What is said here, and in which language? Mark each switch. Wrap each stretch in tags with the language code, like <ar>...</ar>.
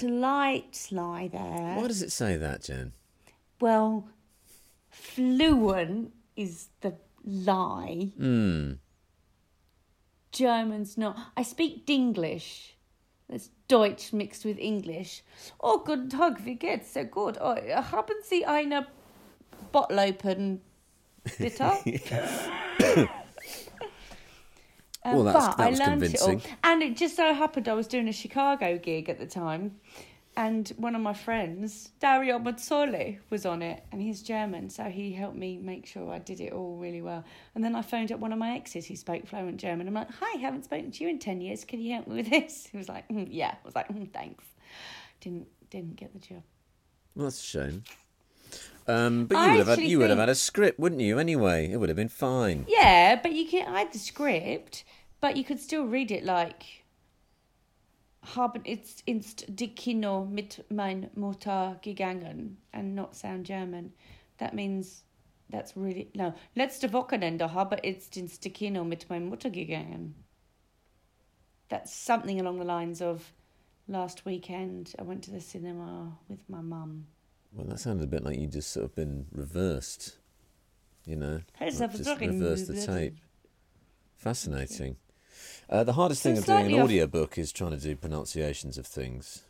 <en>Slight lie there. Why does it say that, Jen? Well, fluent is the lie. Hmm. German's not. I speak Dinglish. It's Deutsch mixed with English.</en> <de>Oh, guten Tag, wie geht's?</de> <en>So good.</en> <de>Oh, haben Sie eine</de> <en>bottle open,</en> <de>bitte?</de> <en>well, that's, but that was I learned convincing. It all. And it just so happened I was doing a Chicago gig at the time, and one of my friends, Dario Mazzoli, was on it, and he's German, so he helped me make sure I did it all really well. And then I phoned up one of my exes who spoke fluent German. I'm like, hi, haven't spoken to you in 10 years. Can you help me with this? He was like, yeah. I was like, thanks. Didn't get the job. Well, that's a shame. But you would have had a script, wouldn't you, anyway? It would have been fine. Yeah, but I had the script, but you could still read it like...</en> <de>Haben ist ins Kino mit mein Mutter gegangen</de> <en>and not sound German. That means that's really...</en> <de>No, letzte Wochenende habe ich ins Kino mit mein Mutter gegangen.</de> <en>That's something along the lines of last weekend I went to the cinema with my mum. Well, that sounded a bit like you just sort of been reversed, you know. Reversed the tape. Fascinating. The hardest thing of doing an audiobook is trying to do pronunciations of things.</en>